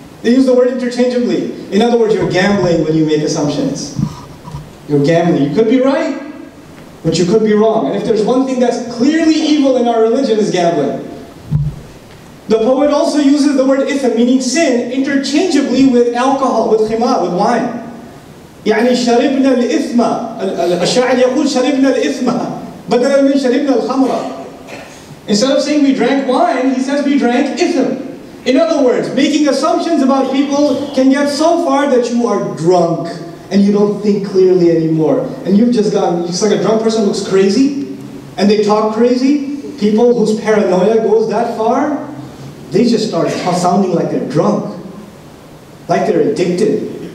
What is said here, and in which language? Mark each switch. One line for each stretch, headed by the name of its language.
English: They used the word interchangeably. In other words, you're gambling when you make assumptions. You're gambling. You could be right, but you could be wrong. And if there's one thing that's clearly evil in our religion, is gambling. The poet also uses the word ithm, meaning sin, interchangeably with alcohol, with khimar, with wine.
Arabic: يعني شربنا الإثم الشاعر يقول شربنا الإثم بدلا من شربنا الخمرة.
English: Instead of saying we drank wine, he says we drank ithm. In other words, making assumptions about people can get so far that you are drunk and you don't think clearly anymore. And you've just gone, it's like a drunk person looks crazy and they talk crazy. People whose paranoia goes that far, they just start sounding like they're drunk, like they're addicted.